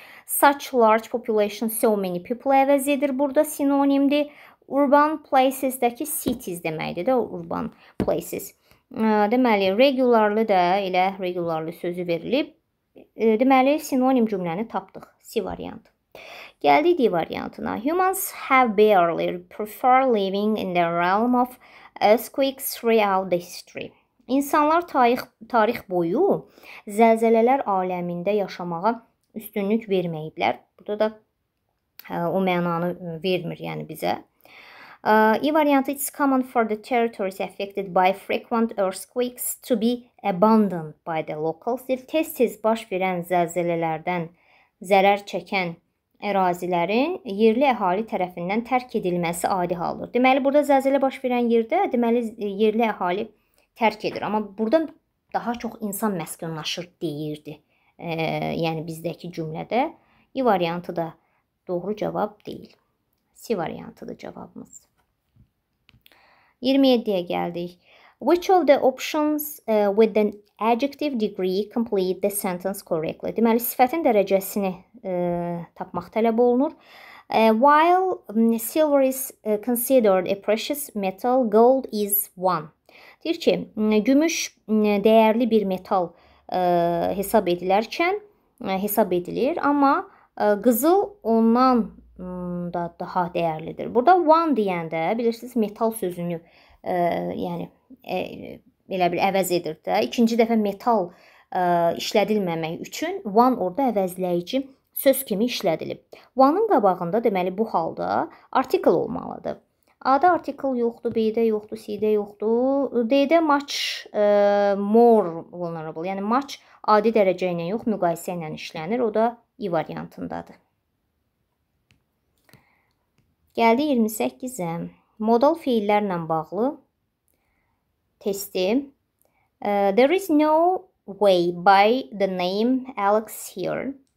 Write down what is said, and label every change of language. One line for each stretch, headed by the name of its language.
English: Such large population, so many people
Azerbaijani: əvəz edir burada sinonimdir.
English: Urban places-dəki cities
Azerbaijani: deməkdir də
English: urban places.
Azerbaijani: Deməli, regularly də elə regularly sözü verilib. Deməli, sinonim cümləni tapdıq. C variant. Gəldik D variantına.
English: Humans have barely preferred living in the realm of earthquakes throughout the history.
Azerbaijani: İnsanlar tarix boyu zəlzələlər aləmində yaşamağa üstünlük verməyiblər. Burada da o mənanı vermir yəni bizə. E variantı,
English: it's common for the territories affected by frequent earthquakes to be abandoned by the locals.
Azerbaijani: Tez-tez baş verən zəlzələlərdən zərər çəkən ərazilərin yerli əhali tərəfindən tərk edilməsi adi haldır. Deməli, burada zəlzələ baş verən yerdə deməli yerli əhali tərk edir. Amma burada daha çox insan məskunlaşır deyirdi. Yəni, bizdəki cümlədə İ variantı da doğru cavab deyil. C variantı da cavabımız. 27-yə gəldik.
English: Which of the options with the adjective degree complete the sentence correctly?
Azerbaijani: Deməli, sifətin dərəcəsini tapmaq tələb olunur.
English: While silver is considered a precious metal, gold is one.
Azerbaijani: Deyir ki, gümüş dəyərli bir metal hesab edilərkən hesab edilir, amma qızıl ondan da daha dəyərlidir. Burada one deyəndə bilirsiniz metal sözünü yəni belə bir əvəz edir də. İkinci dəfə metal işlədilməmək üçün one orada əvəzləyici söz kimi işlədilib. One-ın qabağında deməli bu halda artikl olmalıdır. A-da artikl yoxdur, B-də yoxdur, C-də yoxdur. D-də
English: much more vulnerable,
Azerbaijani: yəni much adi dərəcə ilə yox, müqayisə ilə işlənir. O da E variantındadır. Gəldi 28-ə. Modal fiillərlə bağlı testi.
English: There is no way by the name Alex here.